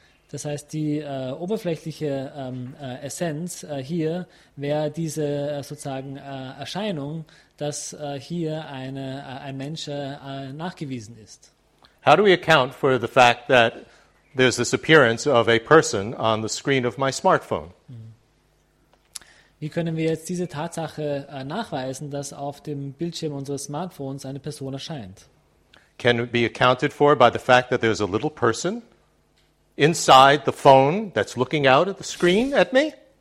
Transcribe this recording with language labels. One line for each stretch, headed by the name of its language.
German: Das heißt, die oberflächliche Essenz hier wäre diese sozusagen Erscheinung, dass hier ein Mensch nachgewiesen ist.
English: How do we account for the fact that there's this appearance of a person on the screen of my smartphone?
German: Wie können wir jetzt diese Tatsache nachweisen, dass auf dem Bildschirm unseres Smartphones eine Person erscheint?
English: Can it be accounted for by the fact that there's a little person inside the phone that's looking out at the screen at me?